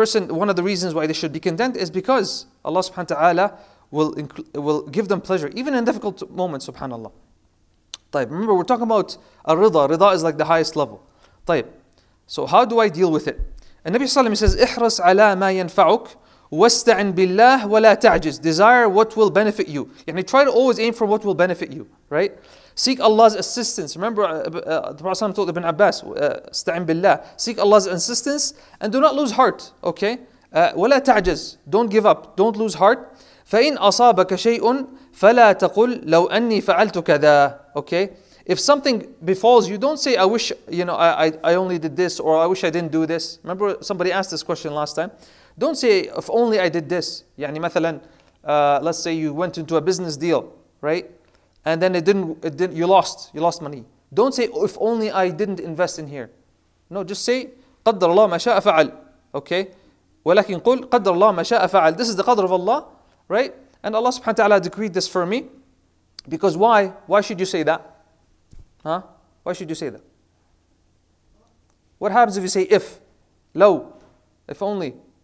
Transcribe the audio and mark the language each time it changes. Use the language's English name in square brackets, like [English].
[English] One of the reasons why they should be content is because Allah subhanahu wa ta'ala will give them pleasure, even in difficult moments, subhanAllah. طيب, remember, we're talking about a rida. Rida is like the highest level. طيب, so how do I deal with it? And Nabi Sallam says, [Arabic] إِحْرَصْ عَلَى مَا يَنْفَعُكَ وَاسْتَعِنْ بِاللَّهِ وَلَا تَعْجِزْ. [English] Desire what will benefit you. Try to always aim for what will benefit you, right? Seek Allah's assistance. Remember, the Prophet told Ibn Abbas, [Arabic] استعن بالله. [English] Seek Allah's assistance and do not lose heart, okay? [Arabic] وَلَا تَعْجِزْ. [English] Don't give up. Don't lose heart. [Arabic] فَإِنْ أَصَابَكَ شَيْءٌ فَلَا تَقُلْ لَوْ أَنِّي فَعَلْتُ كَذَا. [English] Okay? If something befalls you, don't say, I wish, I only did this, or I wish I didn't do this. Remember, somebody asked this question last time. Don't say, if only I did this. Let's say you went into a business deal, right? And then you lost money. Don't say, if only I didn't invest in here. No, just say, [Arabic] قَدَّرَ اللَّهُ مَا شَاءَ فَعَلْ. [English] Okay? [Arabic] وَلَكِنْ قُلْ قَدَّرَ اللَّهُ مَا شَاءَ فَعَلْ. [English] This is the qadr of Allah. Right? And Allah subhanahu wa ta'ala decreed this for me. Because why? Why should you say that? Huh? Why should you say that? What happens if you say if? Low. If only.